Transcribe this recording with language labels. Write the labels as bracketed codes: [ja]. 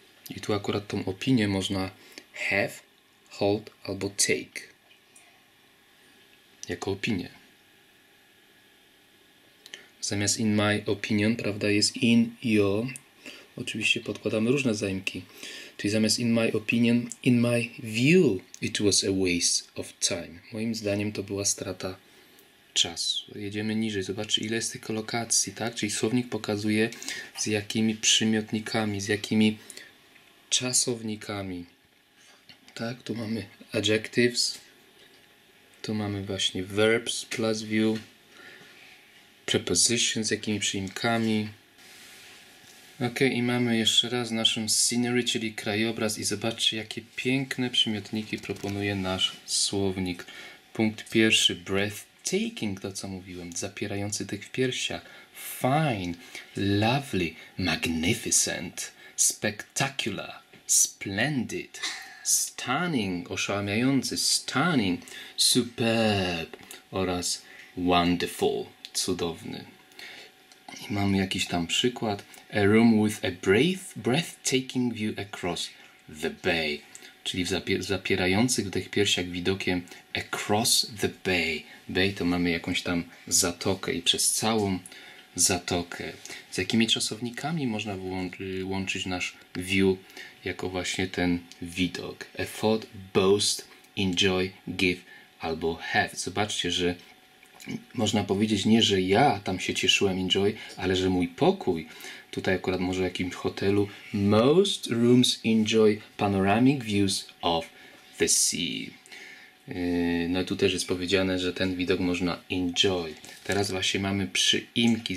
[pl] I tu akurat tą opinię można have, hold albo take. Jako opinię. Zamiast [en] in my opinion, [pl] prawda, jest in your. Oczywiście podkładamy różne zaimki. [en] Czyli zamiast in my opinion, in my view, it was a waste of time. [pl] Moim zdaniem to była strata czasu. Jedziemy niżej. Zobaczcie, ile jest tych kolokacji, tak? Czyli słownik pokazuje, z jakimi przymiotnikami, z jakimi czasownikami. Tak? Tu mamy adjectives. Tu mamy właśnie verbs plus view. Preposition, z jakimi przyimkami. Ok, i mamy jeszcze raz naszą scenery, czyli krajobraz. I zobaczcie, jakie piękne przymiotniki proponuje nasz słownik. Punkt pierwszy, breath. Taking, to co mówiłem, zapierający tych w piersiach. [en] Fine, lovely, magnificent, spectacular, splendid, stunning, oszałamiający, stunning, superb oraz wonderful, cudowny. [pl] I mamy jakiś tam przykład. [en] A room with a breathtaking view across the bay. [pl] Czyli zapierających w tych piersiach widokiem [en] across the bay. [pl] Bay to mamy jakąś tam zatokę i przez całą zatokę. Z jakimi czasownikami można łączyć nasz view jako właśnie ten widok? [en] Afford, boast, enjoy, give albo have. [pl] Zobaczcie, że można powiedzieć nie, że ja tam się cieszyłem, enjoy, ale że mój pokój, tutaj akurat może w jakimś hotelu, [en] most rooms enjoy panoramic views of the sea. [pl] No i tu też jest powiedziane, że ten widok można enjoy. Teraz właśnie mamy przyimki.